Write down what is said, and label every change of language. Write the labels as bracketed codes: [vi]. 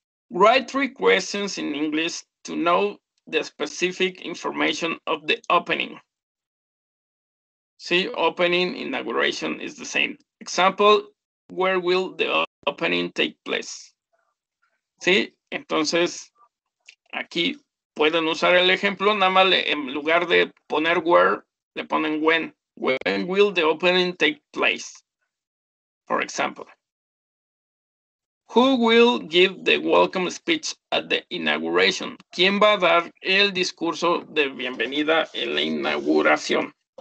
[en] Write 3 questions in English to know the specific information of the opening. See, opening, inauguration is the same. Example, where will the opening take place? [es] ¿Sí? Entonces, aquí pueden usar el ejemplo, nada más en lugar de poner where, le ponen when. [en] When will the opening take place? For example, who will give the welcome speech at the inauguration? [es] ¿Quién va a dar el discurso de bienvenida en la inauguración?